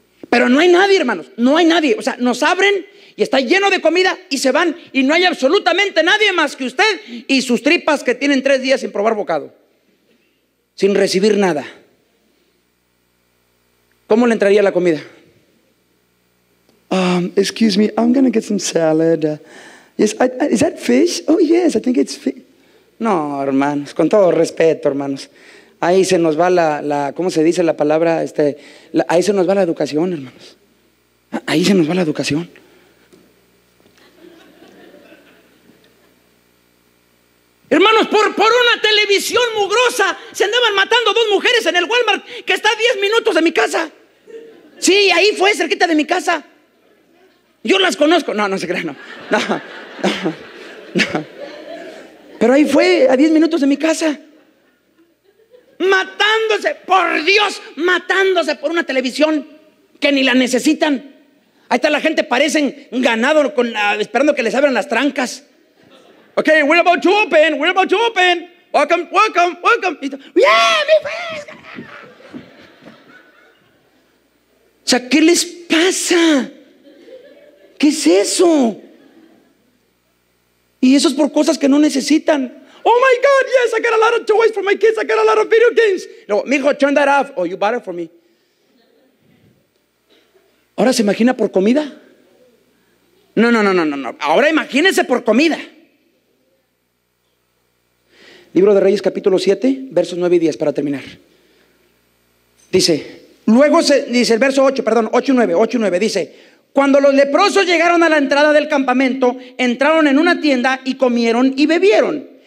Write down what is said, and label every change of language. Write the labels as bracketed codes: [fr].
[es] Pero no hay nadie, hermanos, no hay nadie. O sea, nos abren y está lleno de comida y se van. Y no hay absolutamente nadie más que usted y sus tripas que tienen 3 días sin probar bocado. Sin recibir nada. ¿Cómo le entraría la comida? [en] Excuse me, I'm going to get some salad. Is that fish? Oh, yes, I think it's fish. [es] No, hermanos, con todo respeto, hermanos. Ahí se nos va la, ¿cómo se dice la palabra? Ahí se nos va la educación, hermanos. Ahí se nos va la educación. Hermanos, por una televisión mugrosa se andaban matando dos mujeres en el Walmart que está a 10 minutos de mi casa. Sí, ahí fue, cerquita de mi casa. Yo las conozco. No, no se crean, no. No. Pero ahí fue, a 10 minutos de mi casa. Matándose, por Dios, matándose por una televisión que ni la necesitan. Ahí está la gente, parecen ganado con, esperando que les abran las trancas. [en] Okay, we're about to open, we're about to open. Welcome, welcome, welcome. Yeah, mi friend. [es] O sea, ¿qué les pasa? ¿Qué es eso? Y eso es por cosas que no necesitan. [en] Oh my God, yes, I got a lot of toys for my kids. I got a lot of video games. [es] No, mijo, [en] turn that off. Oh, you bought it for me. [es] ¿Ahora se imagina por comida? No, no, no, no, no. Ahora imagínense por comida. Libro de Reyes, capítulo 7, versos 9 y 10, para terminar. Dice, luego se, dice el verso 8, perdón, 8 y 9, 8 y 9, dice, cuando los leprosos llegaron a la entrada del campamento, entraron en una tienda y comieron y bebieron.